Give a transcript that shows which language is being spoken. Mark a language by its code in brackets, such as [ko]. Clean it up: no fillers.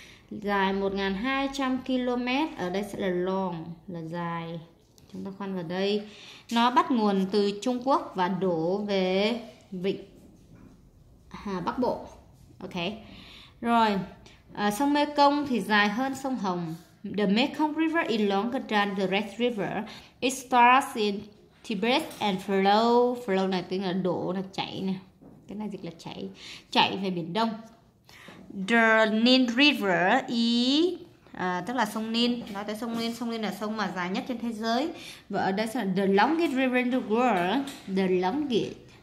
[vi] Dài 1.200 km, ở đây sẽ là long, là dài. Chúng ta khoan vào đây. Nó bắt nguồn từ Trung Quốc và đổ về vịnh Hà Bắc Bộ. Ok. Rồi, sông Mê Công thì dài hơn sông Hồng. [en] The Mekong River is longer than the Red River. It starts in Tibet and flow. [vi] Flow này tiếng là đổ, là chảy nè. Cái này dịch là chảy. Chảy về Biển Đông. The Nin River is tức là sông Nin. Nói tới sông Nin, sông Nin là sông mà dài nhất trên thế giới. Và ở đây sẽ là the longest river in the world. The longest.